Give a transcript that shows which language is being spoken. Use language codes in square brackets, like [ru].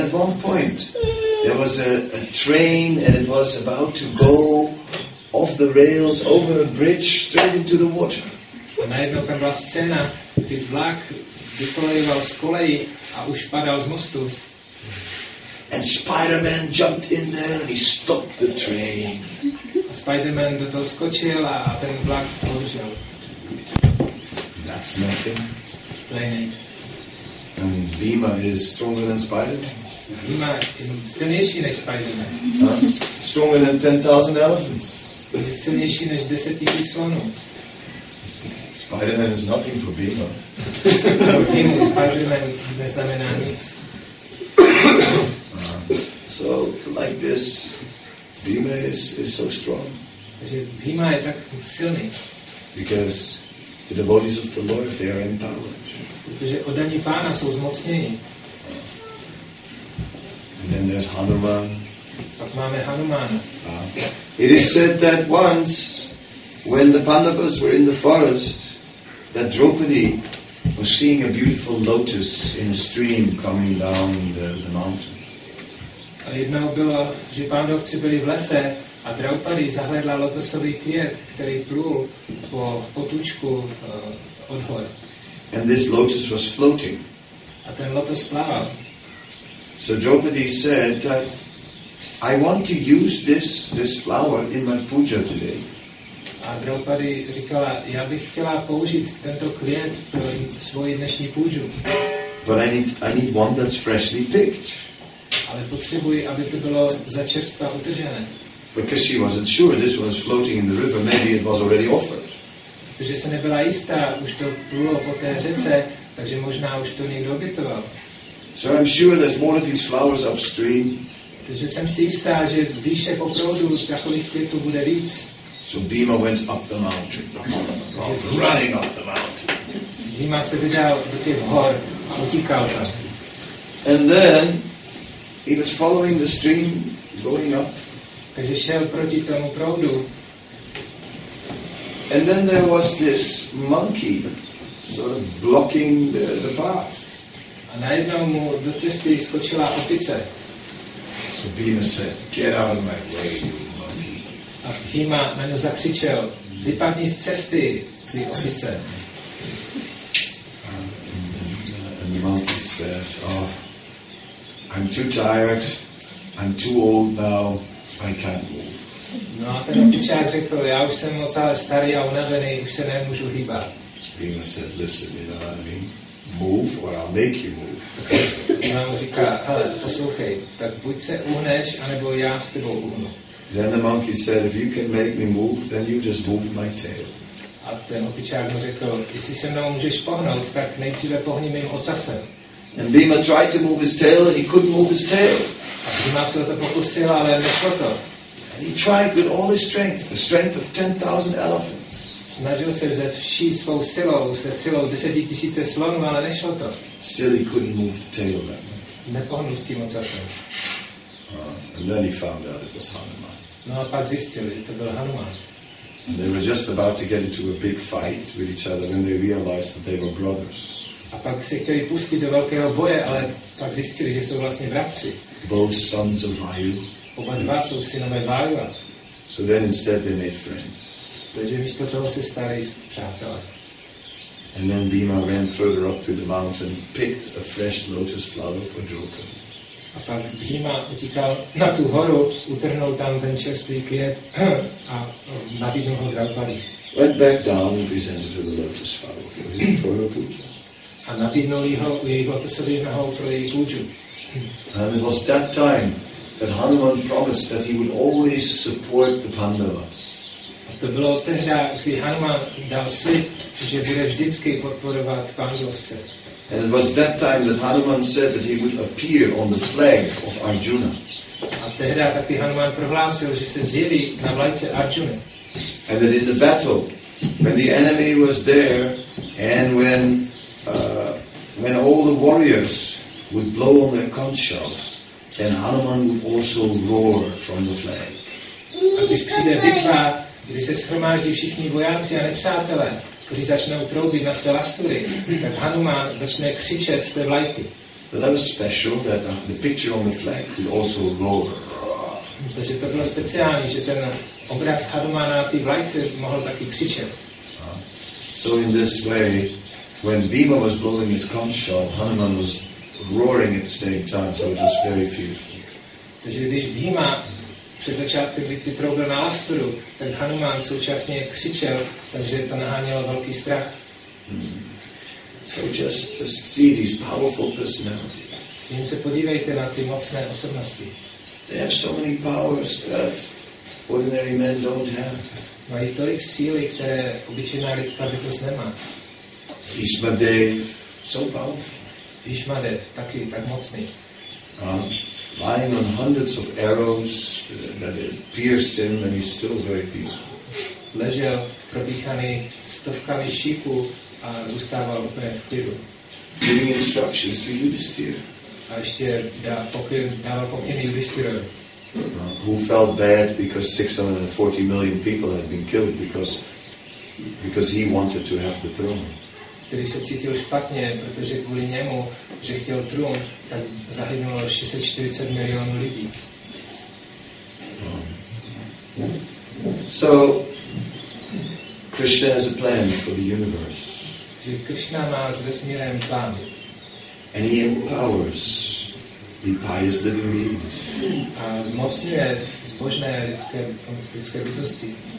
[en] at one point, there was a train and it was about to go off the rails over a bridge straight into the water. [cs] A najednou tam byla scéna, kdy vlak vykolejoval z koleji a už padal z mostu. [en] And Spider-Man jumped in there and he stopped the train. [cs] A Spider-Man do toho skočil a ten vlak položil. [en] That's nothing. [cs] To je nic. [en] I mean, Bhima is stronger than Spider-Man. [cs] Bhima je silnější než Spider-Man. [en] Stronger than 10,000 elephants. [cs] Je silnější než 10,000 slonů. [en] Spider-Man is nothing for Bhima. [cs] Bhima, Spider-Man neznamená nic. [en] So like this, Bhima is so strong. [cs] Takže Bhima je tak silný. [en] Because the devotees of the Lord, they are empowered. [cs] Protože oddaní Pána jsou zmocnění. [en] And then there's Hanuman. [cs] Pak máme Hanumana. [en] It is said that once, when the Pandavas were in the forest, that Draupadi was seeing a beautiful lotus in a stream coming down the mountain. [cs] A jednou bylo, že Pandavci byli v lese a Draupadi zahledla lotosový květ, který plul po potůčku od hor. [en] And this lotus was floating. [cs] A ten lotus plaval. [en] So Draupadi said that I want to use this flower in my puja today. [cs] A Draupadi říkala, já bych chtěla použít tento květ pro svoji dnešní puju. [en] But I need one that's freshly picked. [cs] Ale potřebuji, aby to bylo začerstva utržené. [en] Because she wasn't sure this one was floating in the river, maybe it was already offered. [cs] Protože se nebyla jistá, už to plulo po té řece, takže možná už to někdo obětoval. [en] So I'm sure there's more of these flowers upstream. [cs] Takže jsem si jistá, že výše opravdu takových květů bude víc. [en] So Bhima went up the mountain, running up the mountain. [cs] Bhima se vydal do těch hor a utíkal tam. [en] And then he was following the stream, going up. [cs] Takže šel proti tomu proudu. [en] And then there was this monkey, sort of blocking the path. [cs] A najednou mu do cesty skočila opice. [en] So Bhima said, "Get out of my way, you monkey." [cs] A Bhima na něj zakřičel, "Vypadni z cesty, ty opice." [en] And the monkey said, "Oh, I'm too tired, I'm too old now, I can't move." [cs] No a ten opičák řekl, já už jsem moc ale starý a unavený, už se nemůžu hýbat. [en] Bhima said, listen, you know what I mean? Move or I'll make you move. Okay. [cs] A on mu říká, ale poslouchej, tak buď se uhneš, anebo já s tebou uhnu. [en] Then the monkey said, if you can make me move, then you just move my tail. [cs] A ten opičák mu řekl, jestli se mnou můžeš pohnout, tak nejdříve pohni mým ocasem. [en] And Bhima tried to move his tail and he couldn't move his tail. [cs] A Bhima se to pokusil, ale nešlo to. [en] And he tried with all his strength, the strength of 10,000 elephants. [cs] Snažil se ze vší svou silou, se silou 10,000 slonů, ale nešlo to. [en] Still he couldn't move the tail that way. [cs] Nepohnul s tím ocasem. [en] And then he found out it was Hanuman. [cs] No a pak zjistil, že to byl Hanuman. [en] And they were just about to get into a big fight with each other when they realized that they were brothers. [cs] A pak se chtěli pustit do velkého boje, ale pak zjistili, že jsou vlastně bratři. [en] Both sons of Vayu. [cs] Oba dva jsou synové Vayua. [en] So then instead they made friends. [cs] Takže místo toho se stali přátelé. [en] And then Bhima ran further up to the mountain, picked a fresh lotus flower for Draupadi. [cs] A pak Bhima utíkal na tu horu, utrhnul tam ten čerstvý květ a nabídnul ho Draupadi. [en] Went back down and presented her the lotus flower for her puja. [cs] A nabídnul ho u jejího lotosového pro její puju. [en] And it was that time that Hanuman promised that he would always support the Pandavas. [cs] A to bylo tehda, kdy Hanuman dal slib, že bude vždycky podporovat Pandovce. [en] And it was that time that Hanuman said that he would appear on the flag of Arjuna. [cs] A tehda taky Hanuman prohlásil, že se zjeví na vlajce Arjuna. [en] And that in the battle, when the enemy was there, and when all the warriors would blow on their conch shells, then Hanuman would also roar from the flag. [cs] A když přijde bitva, kdy se shromáždí všichni vojáci a nepřátelé, kteří začnou troubit na své lastury, tak Hanuman začne křičet z té vlajky. [en] But that was special, that the picture on the flag would also roar. [cs] Takže to bylo speciální, že ten obraz Hanumana na té vlajce mohl taky křičet. [en] So in this way, when Bhima was blowing his conch shell, Hanuman was roaring at the same time, so it was very fearful. [cs] Takže když Bhima před začátkem bitvy troubil na lasturu, ten Hanuman současně křičel, takže to nahánělo velký strach. [en] So just see these powerful personalities. [cs] Jen se podívejte na ty mocné osobnosti. [en] They have so many powers that ordinary men don't have. [cs] Mají tolik síly, které obyčejná lidská bytost nemá. [en] Bhishma Dev, so powerful. [cs] Bhishma Dev, taky tak mocný. [en] Lying on hundreds of arrows that pierced him, and he's still very peaceful. [cs] Ležel probíchaný stovkami šípů a zůstával úplně v klidu. [en] Giving instructions to Yudhisthira. [cs] A ještě dával pokyn Yudhisthirovi. [en] Who felt bad because 640 million people had been killed because he wanted to have the throne. [cs] Který se cítil špatně, protože kvůli němu, že chtěl trůn, tak zahynulo 640 milionů lidí. [en] So Krishna has a plan for the universe. [cs] Že Krishna má s vesmírem plán. [en] And he empowers the pious living beings. [cs] A zmocňuje zbožné lidské bytosti.